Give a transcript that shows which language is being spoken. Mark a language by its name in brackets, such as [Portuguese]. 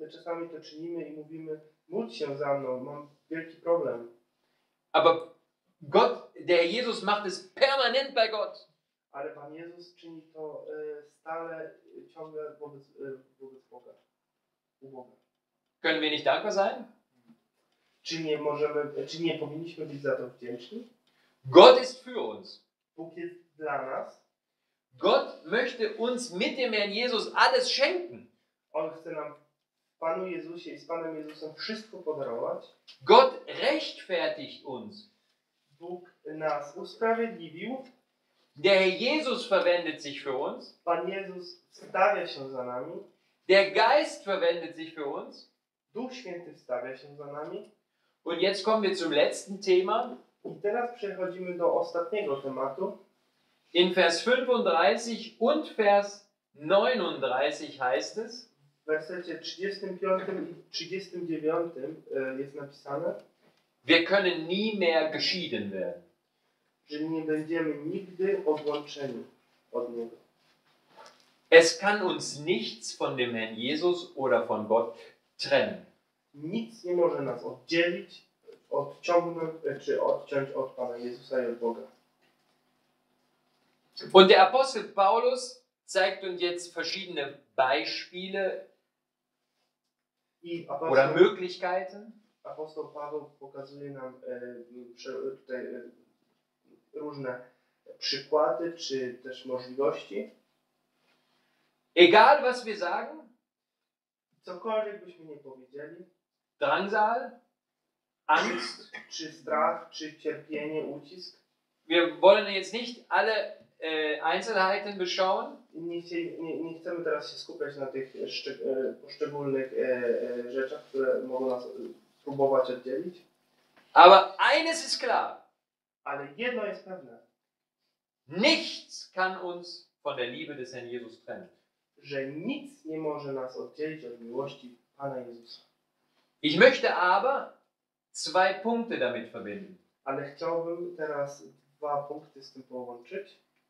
[Polish] My czasami to czynimy i mówimy, módl się za mną, mam wielki problem. [German] Aber Gott, der Jesus macht es permanent bei Gott. [Polish] Ale Pan Jezus czyni to stale, ciągle wobec Boga. [German] Können wir nicht dankbar sein? [Polish] Czy nie powinniśmy być za to wdzięczni? [German] Gott ist für uns. [Polish] Bóg jest dla nas. [German] Gott möchte uns mit dem Herrn Jesus alles schenken. [Polish] On chce nam Panu Jezusie i z Panem Jezusem wszystko podarować. [German] Gott rechtfertigt uns. [Polish] Bóg nas usprawiedliwił. [German] Der Herr Jesus verwendet sich für uns. [Polish] Pan Jezus stawia się za nami. [German] Der Geist verwendet sich für uns. [Polish] Duch Święty stawia się za nami. [German] Und jetzt kommen wir zum letzten Thema. [Polish] I teraz przechodzimy do ostatniego tematu. [German] In Vers 35 und Vers 39 heißt es, [Polish] w wersecie 35 i 39 jest napisane, [German] wir können nie mehr geschieden werden. [Polish] Że nie będziemy nigdy odłączeni od Niego. [German] Es kann uns nichts von dem Herrn Jesus oder von Gott trennen. [Polish] Nic nie może nas oddzielić, odciągnąć czy odciąć od Pana Jezusa i od Boga. [German] Und der Apostel Paulus zeigt uns jetzt verschiedene Beispiele oder Möglichkeiten. [Polish] Apostel Paweł pokazuje nam tutaj różne przykłady czy też możliwości. [German] Egal was wir sagen, [Polish] cokolwiek byśmy nie powiedzieli, [German] Drangsal, Angst, [Polish] czy strach, czy cierpienie, ucisk. [German] Wir wollen jetzt nicht alle Einzelheiten beschauen. [Polish] Nie chcemy teraz się skupiać na tych poszczególnych rzeczach, które mogą nas próbować oddzielić. [German] Aber eines ist klar. [Polish] Ale jedno jest pewne. [German] Nichts kann uns von der Liebe des Herrn Jesus trennen. [Polish] Że nic nie może nas oddzielić od miłości Pana Jezusa. [German] Ich möchte aber zwei Punkte damit verbinden. [Polish] Ale chciałbym teraz dwa punkty z tym połączyć.